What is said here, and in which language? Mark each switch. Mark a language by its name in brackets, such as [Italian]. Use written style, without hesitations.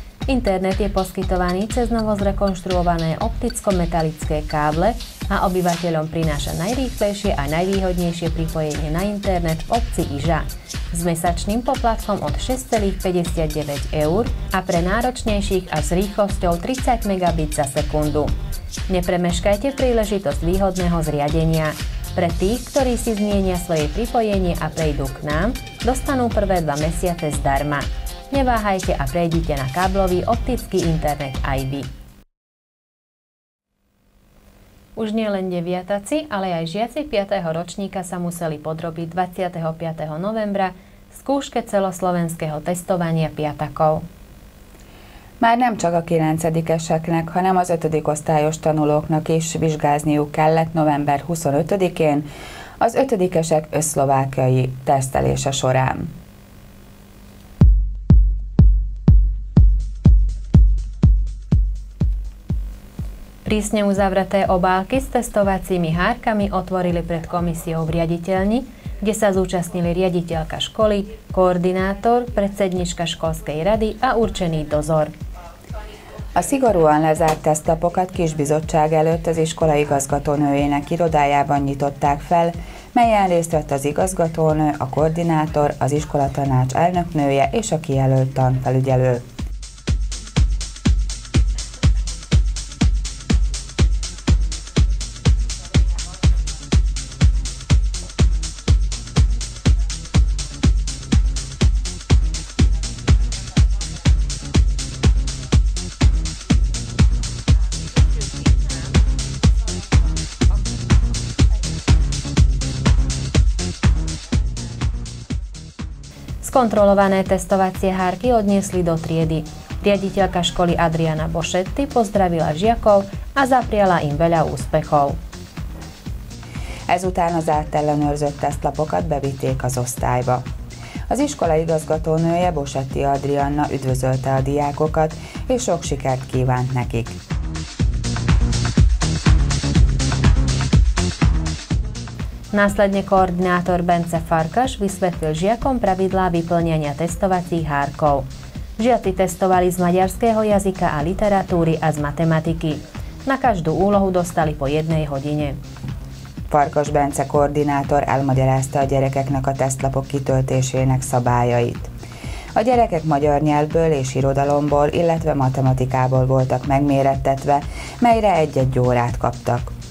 [Slovak] Internet je poskytovaný cez novo zrekonštruované opticko-metalické káble a obyvateľom prináša najrýchlejšie a najvýhodnejšie pripojenie na internet v obci Iža s mesačným poplatkom od 6,59 eur a pre náročnejších a s rýchlosťou 30 megabit za sekundu. Nepremeškajte príležitosť výhodného zriadenia. Pre tých, ktorí si zmienia svoje pripojenie a prejdú k nám, dostanú prvé 2 mesiace zdarma. Neváhajte a prejdite na káblový optický internet aj vy. Už nielen deviataci, ale aj žiaci 5. ročníka sa museli podrobiť 25. novembra skúške celoslovenského testovania piatakov. [Hungarian] Már nem csak a 9-eseknek, hanem az 5. osztályos tanulóknak is vizsgázniuk kellett november 25-én az 5-esek összlovákiai tesztelése során. [Slovak] Prísne uzavreté obálky s testovacími hárkami otvorili pred komisiou v riaditeľni, kde sa zúčastnili riaditeľka školy, koordinátor, predsednička školskej rady a určený dozor. [Hungarian] A szigorúan lezárt tesztlapokat kisbizottság előtt az iskola igazgatónőjének irodájában nyitották fel, melyen részt vett az igazgatónő, a koordinátor, az iskola tanács elnöknője és a kijelölt tanfelügyelő. [Slovak] Kontrolované testovacie hárky odniesli do triedy. Riaditeľka školy Adriana Bošetti pozdravila žiakov a zapriala im veľa úspechov. [Hungarian] Ezután az átellenőrzött tesztlapokat bevitték az osztályba. Az iskola igazgatónője Bošetti Adrianna üdvözölte a diákokat és sok sikert kívánt nekik. [Slovak] Následne koordinátor Bence Farkas vysvetlil žiakom pravidlá vyplňania testovacích hárkov. Žiaci testovali z maďarského jazyka a literatúry a z matematiky. Na každú úlohu dostali po jednej hodine. [Hungarian] Farkas Bence koordinátor elmagyarázta a gyerekeknek a tesztlapok kitöltésének szabályait. A gyerekek magyar nyelvből és irodalomból, illetve matematikából voltak megmérettetve, melyre egy-egy órát kaptak.